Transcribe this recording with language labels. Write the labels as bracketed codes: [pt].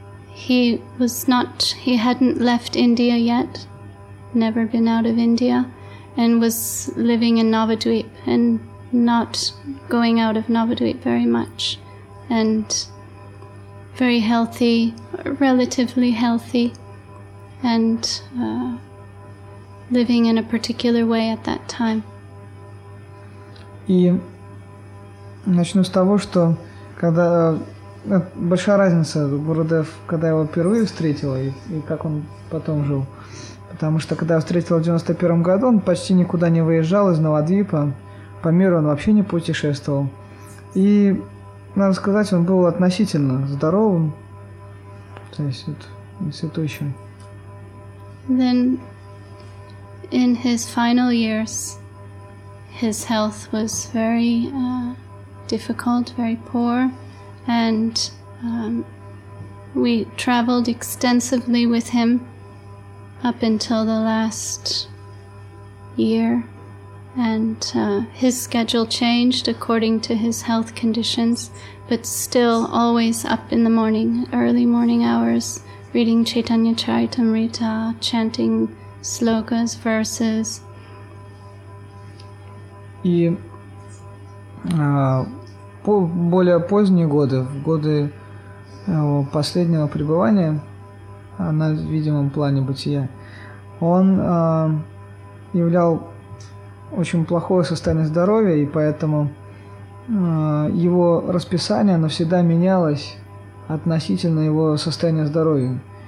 [en] He hadn't left India yet, never been out of India, and was living in Navadvip and not going out of Navadvip very much, and very healthy, relatively healthy, and living in a particular way at that time. [ru] И начну с того, что когда большая разница Гурудев, когда я его впервые встретил и как он потом жил. Потому что когда я встретил в 91-м году, он почти никуда не выезжал из Навадвипа, по миру он вообще не путешествовал. И, надо сказать, он был относительно здоровым, то есть вот, несветущим. [en] Then, in his final years, his health was very difficult, very poor, and we traveled extensively with him up until the last year, and his schedule changed according to his health conditions, but still always up in the morning, early morning hours, reading Chaitanya Charitamrita, chanting slokas, verses. [ru] И более поздние годы, в годы его последнего пребывания на видимом плане бытия, он являл очень плохое состояние здоровья, и поэтому его расписание, оно всегда менялось относительно его состояния здоровья.